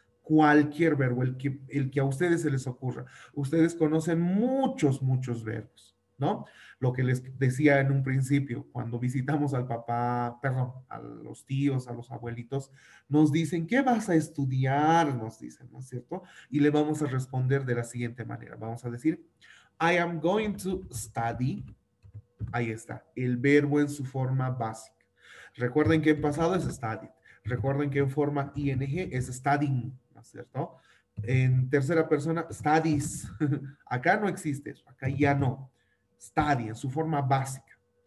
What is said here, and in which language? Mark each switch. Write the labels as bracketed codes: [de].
[es] Cualquier verbo, el que a ustedes se les ocurra. Ustedes conocen muchos, muchos verbos, ¿no? Lo que les decía en un principio, cuando visitamos al papá, perdón, a los tíos, a los abuelitos, nos dicen, ¿qué vas a estudiar? Nos dicen, ¿no es cierto? Y le vamos a responder de la siguiente manera. Vamos a decir, [en] I am going to study. [es] Ahí está, el verbo en su forma básica. Recuerden que en pasado es study. Recuerden que en forma ing es studying, ¿no es cierto? En tercera persona, studies. Acá no existe eso, acá ya no. Study, en su forma básica.